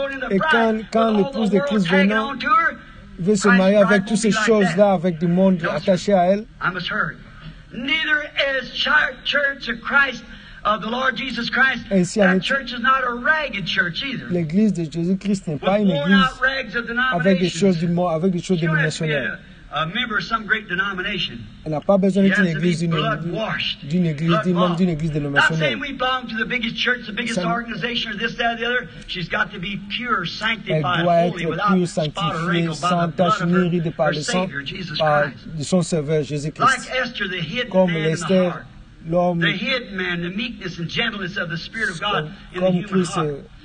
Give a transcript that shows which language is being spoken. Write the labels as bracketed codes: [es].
[fr] Et quand l'épouse de Christ vient, veut se marier avec toutes ces choses-là, avec du monde attaché à elle. [en] Neither is church of Christ of the Lord Jesus Christ. [fr] Ainsi, [en] that church is not a ragged church either. [fr] L'église de Jésus-Christ n'est pas une église avec des choses du monde, avec des choses dénominationnelles. [en] A member of some great denomination. [fr] Elle n'a pas besoin d'une église, d'une église dénominationnelle. [en] Not saying we belong to the biggest church, the biggest organization, or this, that, or the other. She's got to be pure, sanctified, holy, without spot or wrinkle, by the blood of her Savior, Jesus Christ. [fr] Par de son Sauveur, Jésus-Christ. [en] Like Esther, the hidden man in the heart. The hidden man, the meekness and gentleness of the Spirit of God in the human heart.